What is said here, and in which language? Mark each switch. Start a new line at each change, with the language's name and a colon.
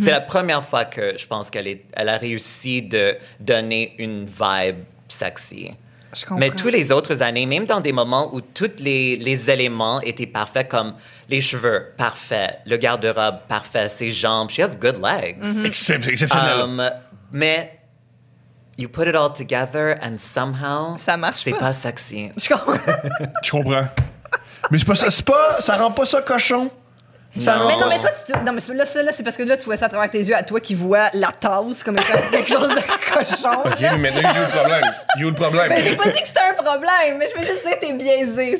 French: C'est la première fois que je pense qu'elle a réussi de donner une vibe sexy. Je comprends. Mais toutes les autres années, même dans des moments où tous les éléments étaient parfaits, comme les cheveux parfaits, le garde-robe parfait, ses jambes,
English: she has good legs.
French: Mm-hmm. Exceptionnel.
English: Mais you put it all together and somehow,
French: ça marche c'est pas sexy. Je comprends. Je comprends. Mais c'est pas ça rend pas ça cochon. Non, mais toi, c'est parce que là, tu vois ça à travers tes yeux, à toi qui vois la tasse comme étant quelque chose de cochon. OK, mais maintenant, il y a eu le problème. Il y a eu le problème. Mais j'ai pas dit que c'était un problème, mais je veux juste dire que t'es biaisé.